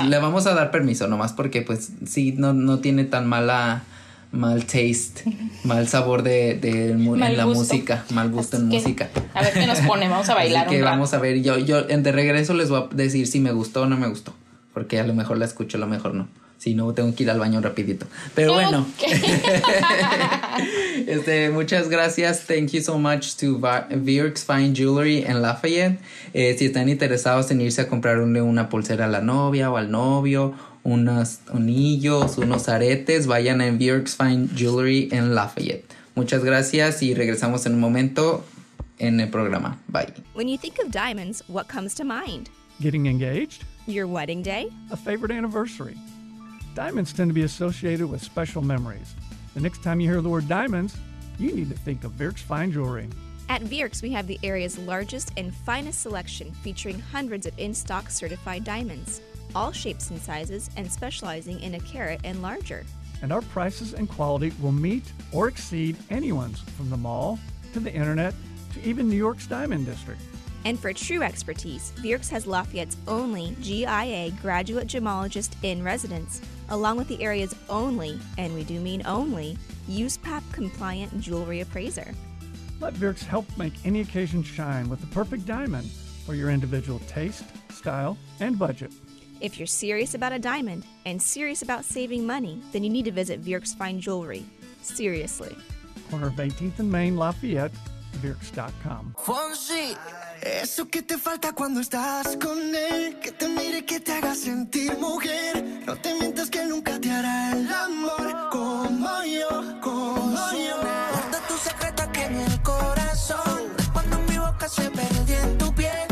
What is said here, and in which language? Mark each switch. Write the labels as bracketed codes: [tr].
[es] Pues le vamos a dar permiso nomás porque pues sí no tiene tan mal taste, mal sabor mal gusto en música. A ver qué nos pone, vamos a bailar. Así que vamos a ver, yo de regreso les voy a decir si me gustó o no me gustó, porque a lo mejor la escucho, a lo mejor no. Si no, tengo que ir al baño rapidito. Pero bueno. Okay. muchas gracias. [en] Thank you so much to Virk's Fine Jewelry en Lafayette. [es] Si están interesados en irse a comprarle una pulsera a la novia o al novio, unos anillos, unos aretes, vayan a Virk's Fine Jewelry en Lafayette. Muchas gracias y regresamos en un momento en el programa. [en] Bye. When you think of diamonds, what comes to mind? Getting engaged. Your wedding day. A favorite anniversary. Diamonds tend to be associated with special memories. The next time you hear the word diamonds, you need to think of Virk's Fine Jewelry. At Virk's, we have the area's largest and finest selection featuring hundreds of in-stock certified diamonds. all shapes and sizes, and specializing in a carat and larger. And our prices and quality will meet or exceed anyone's, from the mall to the internet to even New York's Diamond District. And for true expertise, Vierks has Lafayette's only GIA graduate gemologist in residence, along with the area's only, and we do mean only, USPAP compliant jewelry appraiser. Let Vierks help make any occasion shine with the perfect diamond for your individual taste, style, and budget. If you're serious about a diamond and serious about saving money, then you need to visit Vierks Fine Jewelry. Seriously. Corner of 18th and Main, Lafayette, Vierks.com. [es] Fonsi, eso que te falta cuando estás con él, que te mire, que te haga sentir mujer. No te mientas que nunca te hará el amor como yo, como yo. Guarda tu secreto aquí en el corazón, cuando mi boca se perdió en tu piel.